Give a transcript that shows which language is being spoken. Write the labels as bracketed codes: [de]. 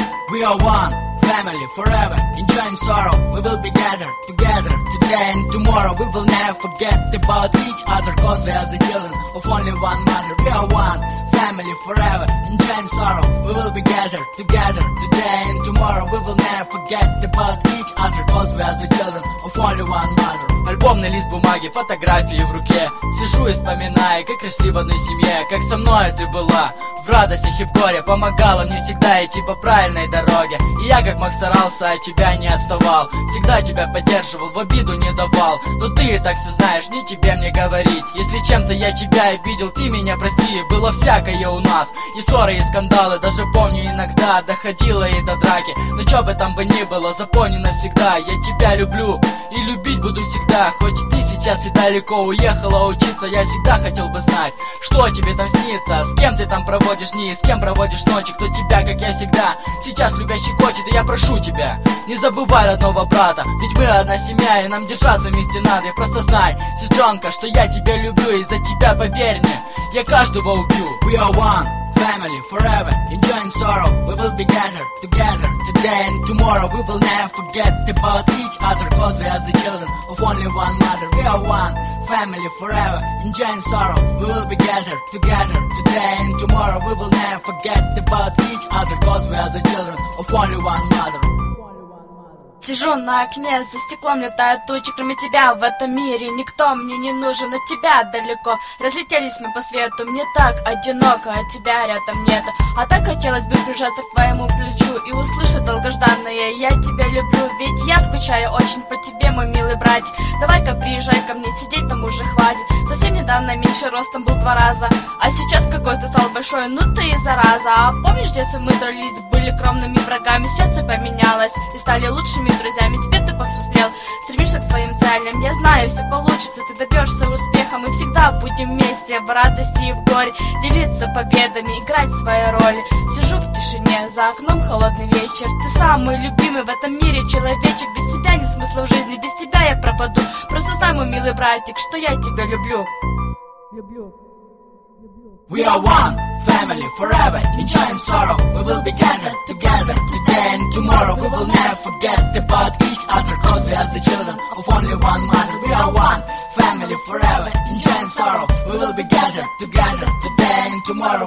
[en] We are one family forever, enjoying sorrow. We will be gathered together today and tomorrow. We will never forget about each other, cause we are the children of only one mother. We are one family forever, enjoying sorrow. We will be gathered together today and tomorrow. We will never forget about each other, cause we are the children of only one mother. [ru] Альбомный лист бумаги, фотографии в руке. Сижу и вспоминаю, как росли в одной семье. Как со мной ты была в радостях и в горе. Помогала мне всегда идти по правильной дороге. И я как мог старался, а тебя не отставал. Всегда тебя поддерживал, в обиду не давал. Но ты и так все знаешь, не тебе мне говорить. Если чем-то я тебя обидел, ты меня прости. Было всякое у нас, и ссоры, и скандалы. Даже помню иногда, доходило и до драки. Но чё бы там бы ни было, запомни навсегда. Я тебя люблю, и любить буду всегда. Да, хоть ты сейчас и далеко уехала учиться, я всегда хотел бы знать, что тебе там снится. С кем ты там проводишь дни, с кем проводишь ночи. Кто тебя, как я всегда, сейчас любя щекочет. И я прошу тебя, не забывай родного брата. Ведь мы одна семья, и нам держаться вместе надо. И просто знай, сестренка, что я тебя люблю. И за тебя, поверь мне, я каждого убью. [en] We are one family forever, enjoying sorrow. We will be gathered together today and tomorrow. We will never forget about each other, cause we are the children of only one mother. We are one family forever, enjoying sorrow. We will be gathered together today and tomorrow. We will never forget about each other, cause we are the children of only one mother. [ru] Сижу на окне, за стеклом летают тучи. Кроме тебя в этом мире никто мне не нужен. От тебя далеко разлетелись мы по свету. Мне так одиноко, а тебя рядом нет. А так хотелось бы прижаться к твоему плечу и услышать долгожданное. Я тебя люблю, ведь я скучаю очень по тебе, мой милый братик. Давай-ка приезжай ко мне, сидеть там уже хватит. Совсем недавно меньше ростом был 2 раза, а сейчас какой-то стал большой, ну ты и зараза. А помнишь, детство мы дрались, были кровными врагами. Сейчас все поменялось и стали лучшими друзьями. Теперь ты повзрослел, стремишься к своим целям. Я знаю, все получится, ты добьешься успеха. Мы всегда будем вместе в радости и в горе, делиться победами, играть свои роли. Сижу в тишине, за окном холодный вечер. Ты самый любимый в этом мире человечек. Без тебя нет смысла в жизни, без тебя я пропаду. Просто знай, мой милый братик, что я тебя люблю. Люблю. [en] We are one family forever, enjoying sorrow. We will be gathered together today and tomorrow. We will never forget about each other, cause we are the children of only one mother. We are one family forever, enjoying sorrow. We will be gathered together today and tomorrow.